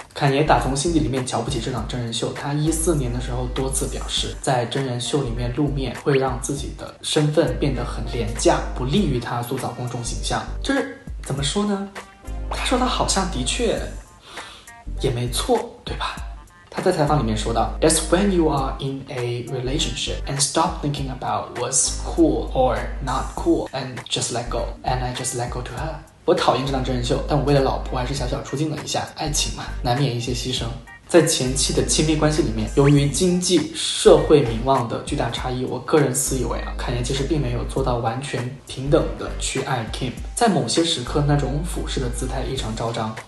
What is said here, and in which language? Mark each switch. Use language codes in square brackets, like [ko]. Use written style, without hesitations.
[zh] 坎爷打从心底里面瞧不起这档真人秀。他2014年的时候多次表示，在真人秀里面露面会让自己的身份变得很廉价，不利于他塑造公众形象。这是怎么说呢？他说他好像的确也没错，对吧？他在采访里面说到 [en] That's when you are in a relationship and stop thinking about what's cool or not cool and just let go. And I just let go to her. [zh] 我讨厌这档真人秀，但我为了老婆还是小小出镜了一下。爱情嘛，难免一些牺牲。在前期的亲密关系里面，由于经济社会名望的巨大差异，我个人私以为啊，坎爷其实并没有做到完全平等的去爱 Kim， 在某些时刻那种俯视的姿态异常招张。